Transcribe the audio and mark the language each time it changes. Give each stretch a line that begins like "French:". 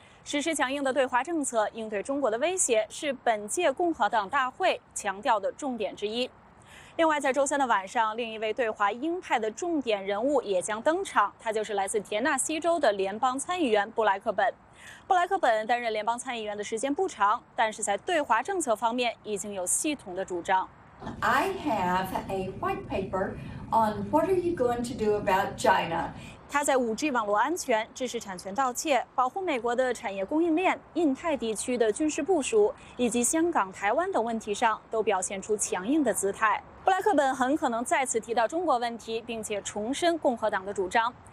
Chinese: 实施强硬的对华政策，应对中国的威胁，是本届共和党大会强调的重点之一。另外，在周三的晚上，另一位对华鹰派的重点人物也将登场，他就是来自田纳西州的联邦参议员布莱克本。布莱克本担任联邦参议员的时间不长，但是在对华政策方面已经有系统的主张。
English: I have a white paper on what are you going to do about China.
Chinese: 他在 5G 网络安全、知识产权盗窃、保护美国的产业供应链、印太地区的军事部署以及香港、台湾等问题上都表现出强硬的姿态。布莱克本很可能再次提到中国问题，并且重申共和党的主张。